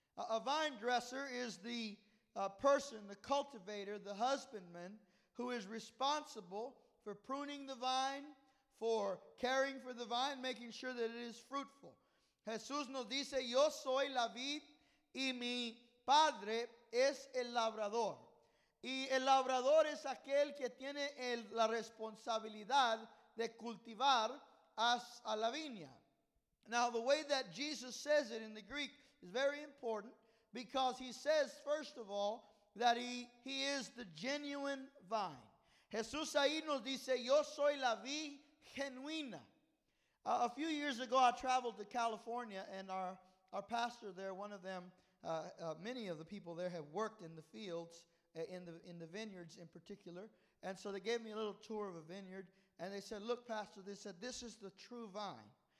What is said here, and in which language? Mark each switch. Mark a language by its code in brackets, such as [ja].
[en] A vine dresser is the person, the cultivator, the husbandman, who is responsible for pruning the vine, for caring for the vine, making sure that it is fruitful. [es] Jesús nos dice, yo soy la vid y mi padre es el labrador. Y el labrador es aquel que tiene el, la responsabilidad de cultivar as a la viña. [en] Now, the way that Jesus says it in the Greek is very important because he says, first of all, that he is the genuine vine. [es] Jesús ahí nos dice, yo soy la vid genuina. [en] A few years ago, I traveled to California, and our pastor there, one of them, many of the people there have worked in the fields, in the vineyards in particular. And so they gave me a little tour of a vineyard, and they said, look, pastor, they said, this is the true vine.